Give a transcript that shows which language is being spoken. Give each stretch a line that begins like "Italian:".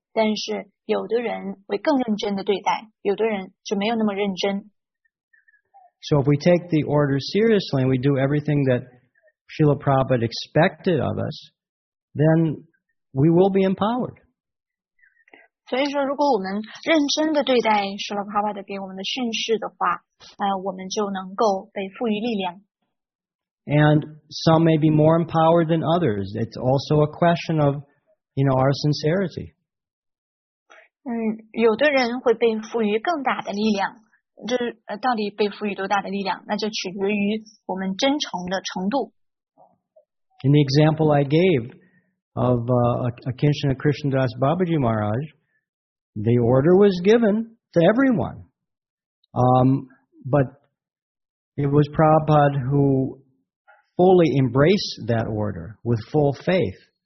Chinese: 但是有的人会更认真地对待，有的人就没有那么认真。
English: So if we take the order seriously and we do everything that Srila Prabhupada expected of us, then we will be empowered.
Chinese: 所以说如果我们认真地对待 Srila Prabhupada 给我们的训示的话、我们就能够被赋予力量。
English: And some may be more empowered than others. It's also a question of, you know, our sincerity.
Chinese: 有的人会被赋予更大的力量。这、到底被赋予多大的力量，那就取决于我们真诚的程度。
English: In the example I gave of Akinshana Krishnadas Babaji Maharaj, the order was given to everyone. But it was Prabhupada who fully embraced that order with full faith.